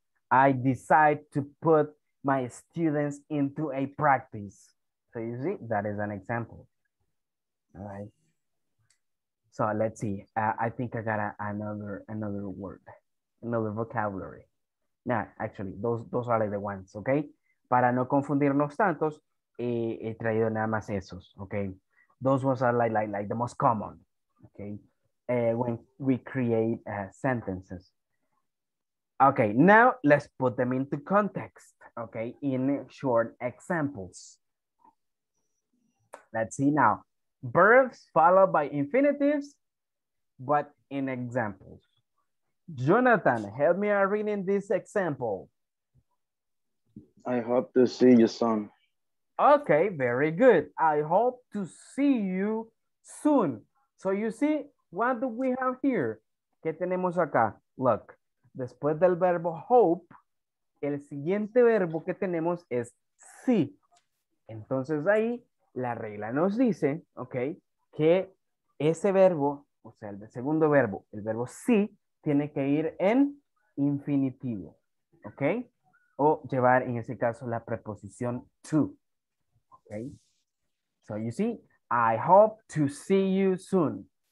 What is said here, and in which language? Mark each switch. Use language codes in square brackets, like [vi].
[en] I decide to put my students into a practice. So you see, that is an example, all right? So let's see, I think I got another word, another vocabulary. No, actually, those are like the ones, okay? [es] Para no confundirnos tantos, he traído nada más esos, okay? [en] Those ones are like the most common, okay? When we create sentences. Okay, now let's put them into context, okay? In short examples. Let's see now. Verbs followed by infinitives, but in examples. Jonathan, help me out reading this example. I hope to see you soon. Okay, very good. I hope to see you soon. So you see, what do we have here? [es] ¿Qué tenemos acá? Look, después del verbo hope, el siguiente verbo que tenemos es see. Entonces ahí, la regla nos dice, ok, que ese verbo, o sea, el segundo verbo, el verbo see, tiene que ir en infinitivo, ok, o llevar en ese caso la preposición to. [en] Okay, so you see, I hope to see you soon.